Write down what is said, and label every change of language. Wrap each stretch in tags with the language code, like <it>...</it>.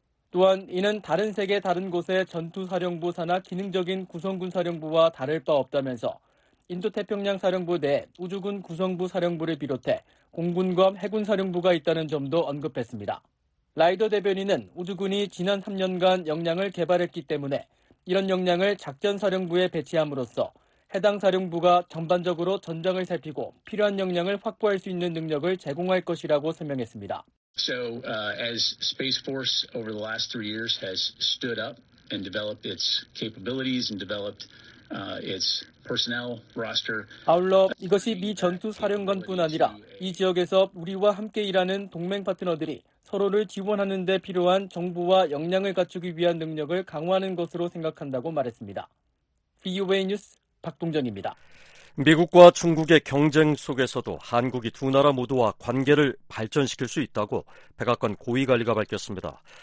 <ko>또한 이는 다른 세계 다른 곳의 전투사령부 산하 기능적인 구성군 사령부와 다를 바 없다면서 인도태평양사령부 내 우주군 구성부 사령부를 비롯해 공군과 해군사령부가 있다는 점도 언급했습니다. 라이더 대변인은 우주군이 지난 3년간 역량을 개발했기 때문에 이런 역량을 작전사령부에 배치함으로써 해당 사령부가 전반적으로 전장을 살피고 필요한 역량을 확보할 수 있는 능력을 제공할 것이라고 설명했습니다.</ko> <en>So as Space Force over the last three years has stood up and developed its capabilities and developed its personnel roster.</en> <ko>아울러 이것이 미 전투 사령관뿐 아니라 이 지역에서 우리와 함께 일하는 동맹 파트너들이 서로를 지원하는 데 필요한 정보와 역량을 갖추기 위한 능력을 강화하는 것으로 생각한다고 말했습니다. VOA 뉴스 박동정입니다. 미국과 중국의 경쟁 속에서도 한국이 두 나라 모두와 관계를 발전시킬 수 있다고 백악관 고위관리가 밝혔습니다.</ko>